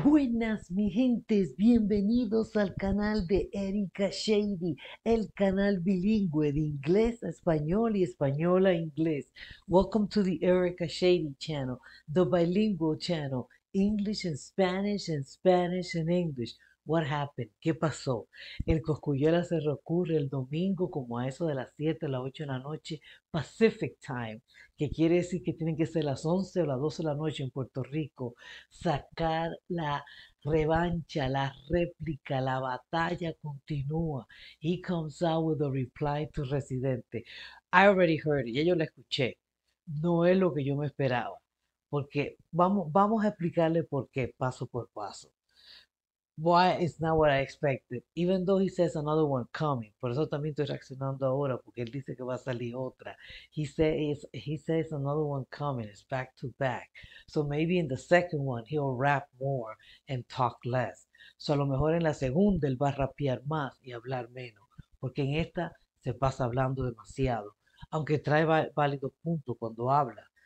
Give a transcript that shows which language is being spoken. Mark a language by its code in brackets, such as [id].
[es] días, mi gentes, bienvenidos al canal de Erika Shady, el canal bilingüe de inglés a español y español a inglés. [en] Welcome to the Erika Shady channel, the bilingual channel, English and Spanish and English. What happened? [es] ¿Qué pasó? El Cosculluela se reocurre el domingo como a eso de las 7 o las 8 de la noche, Pacific Time, que quiere decir que tienen que ser las 11 o las 12 de la noche en Puerto Rico, sacar la revancha, la réplica, la batalla continúa. [en] He comes out with a reply to Residente. I already heard it, [es] ya yo la escuché. No es lo que yo me esperaba, porque vamos a explicarle por qué, paso por paso. [en] Why is not what I expected, even though he says another one coming. [es] Por eso también estoy reaccionando ahora, porque él dice que va a salir otra. [en] He says another one coming, it's back to back. So maybe in the second one he'll rap more and talk less. [es] So a lo mejor en la segunda él va a rapear más y hablar menos, porque en esta se pasa hablando demasiado, aunque trae válido punto cuando habla.